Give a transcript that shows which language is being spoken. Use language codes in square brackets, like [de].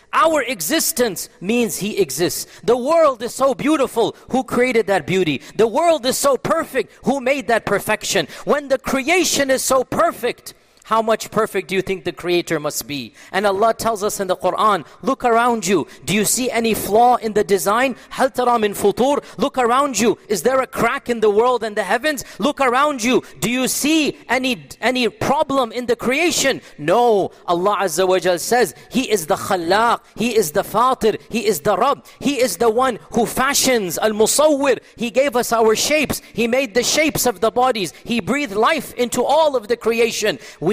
[en] Our existence means He exists. The world is so beautiful. Who created that beauty? The world is so perfect. Who made that perfection? When the creation is so perfect, how much perfect do you think the creator must be? And Allah tells us in the Quran, look around you. Do you see any flaw in the design? [ar] هَلْ تَرَى مِنْ فُطُورِ [en] Look around you. Is there a crack in the world and the heavens? Look around you. Do you see any problem in the creation? No. Allah Azza wa Jal says, He is the Khalaq. He is the Fatir. He is the Rabb. He is the one who fashions. Al-Musawwir. He gave us our shapes. He made the shapes of the bodies. He breathed life into all of the creation. We